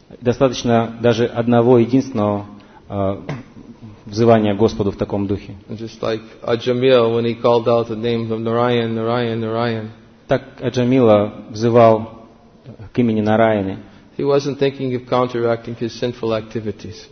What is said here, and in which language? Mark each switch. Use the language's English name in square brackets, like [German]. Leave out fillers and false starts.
[Russian] Достаточно даже одного единственного взывания Господу в таком духе. [English] Just like Ajamil, when he called out the name of Narayan, Narayan, Narayan. [Russian] Так Аджамила взывал к имени Нараяны. [English] He wasn't thinking of counteracting his sinful activities.